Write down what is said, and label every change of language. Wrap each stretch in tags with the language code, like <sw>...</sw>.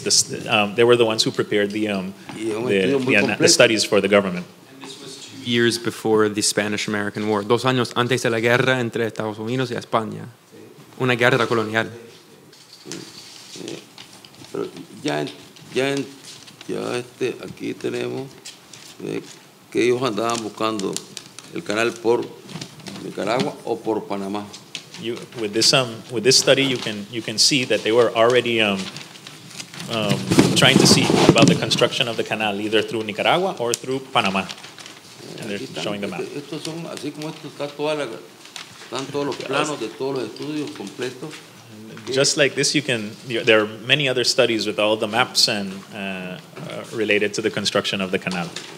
<en>They were the ones who prepared the studies for the government. And this was 2 years before the Spanish-American War.</en> <es>Dos años antes de la guerra entre Estados Unidos y España. Una guerra colonial. Pero ya aquí tenemos que ellos andaban buscando el canal por Nicaragua o por Panamá.</es> <en>With this study, you can see that they were already trying to see about the construction of the canal either through Nicaragua or through Panamá. And they're showing the map.</en> <es>Estos son así como esto está toda la están todos los planos de todos los estudios completos.</es> <en>Just like this, there are many other studies with all the maps and related to the construction of the canal.</en>